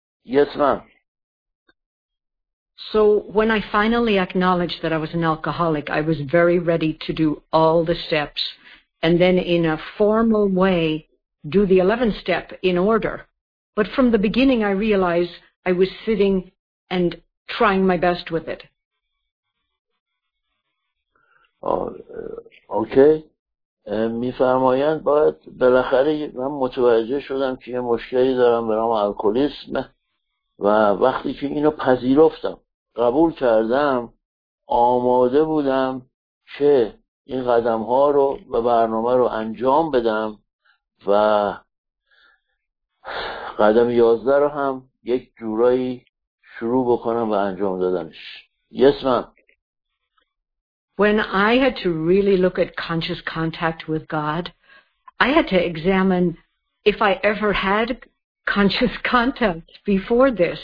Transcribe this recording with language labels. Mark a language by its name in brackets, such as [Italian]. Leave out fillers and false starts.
[English] Yes, ma'am. So when I finally acknowledged that I was an alcoholic, I was very ready to do all the steps and then in a formal way do the 11 step in order. But from the beginning I realized I was sitting and trying my best with it. Okay. [Persian] میفرمایند باید بالاخره من متوجه شدم که یه مشکلی دارم برام الکلیسم. و وقتی که اینو پذیرفتم قبول کردم آماده بودم که این قدم ها رو و برنامه رو انجام بدم و قدم 11 رو هم یک جورایی شروع بکنم و انجام دادنش. [English] Yes, ma'am. When I had to really look at conscious contact with God, I had to examine if I ever had conscious contact before this.